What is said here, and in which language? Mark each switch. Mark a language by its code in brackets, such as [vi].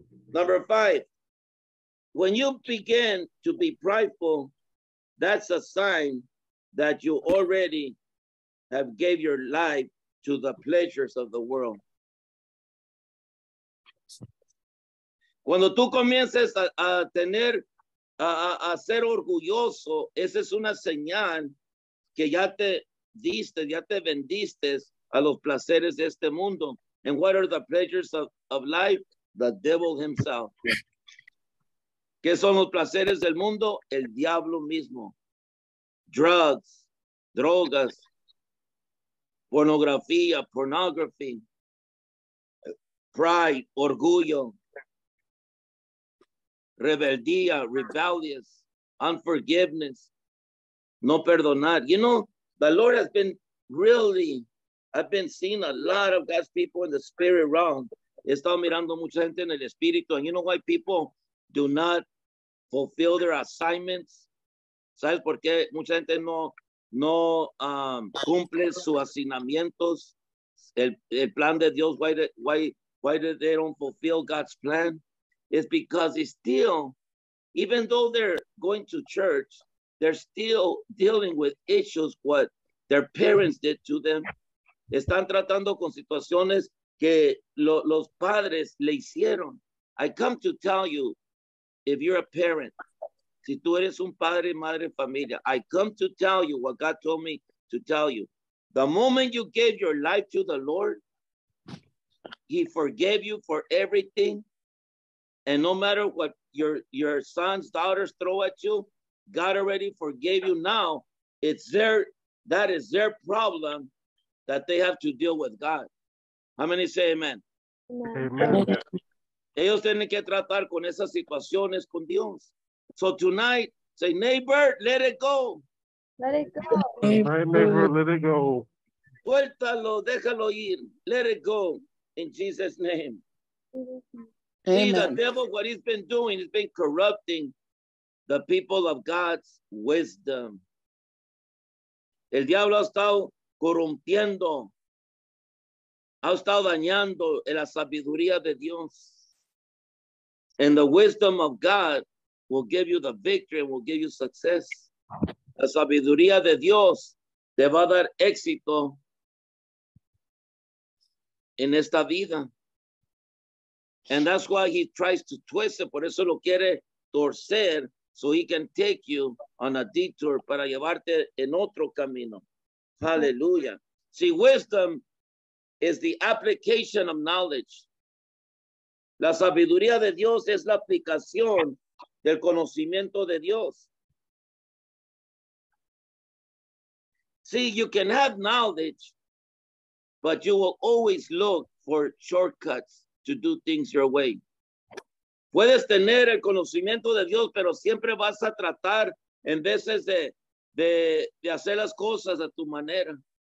[en] Number five, when you begin to be prideful, that's a sign that you already have gave your life to the pleasures of the world. [es] Cuando tú comiences a ser orgulloso, esa es una señal que ya te diste, ya te vendiste a los placeres de este mundo. [en] And what are the pleasures of life? The devil himself. [es] ¿Qué son los placeres del mundo? El diablo mismo. [en] Drugs, [es] drogas, pornografía, [en] pornography, pride, [es] orgullo, rebeldía, [en] rebellious, unforgiveness, [es] no perdonar. [en] You know, the Lord has been really, I've been seeing a lot of God's people in the spirit realm. [es] He estado mirando mucha gente en el espíritu. [en] And you know why people do not fulfill their assignments? [es] ¿Sabes por qué mucha gente no cumple sus asignamientos? El plan de Dios, [en] why they don't fulfill God's plan? It's because it's still, even though they're going to church, they're still dealing with issues what their parents did to them. [es] Están tratando con situaciones que los padres le hicieron. [en] I come to tell you, if you're a parent, [es] si tú eres un padre, madre, familia, [en] I come to tell you what God told me to tell you. The moment you gave your life to the Lord, he forgave you for everything. And no matter what your sons, daughters throw at you, God already forgave you. Now, that is their problem that they have to deal with God. How many say amen? Amen. [es] Ellos tienen que tratar con esas situaciones con Dios. [en] So tonight, say, neighbor, let it go. Let it go. My neighbor, let it go. [es] Suéltalo, déjalo ir. [en] Let it go in Jesus' name. Amen. See, the devil, what he's been doing, he's been corrupting the people of God's wisdom. [es] El diablo ha estado corrompiendo, ha estado dañando en la sabiduría de Dios. [en] And the wisdom of God will give you the victory and will give you success. [es] La sabiduría de Dios te va a dar éxito en esta vida. [en] And that's why he tries to twist it. [es] Por eso lo quiere torcer, [en] so he can take you on a detour [es] para llevarte en otro camino. [en] Hallelujah. See, wisdom is the application of knowledge. [es] La sabiduría de Dios es la aplicación del conocimiento de Dios. [en] See, you can have knowledge, but you will always look for shortcuts to do things your way. [es] Puedes tener el conocimiento de Dios, pero siempre vas a tratar en veces de hacer las cosas a tu manera.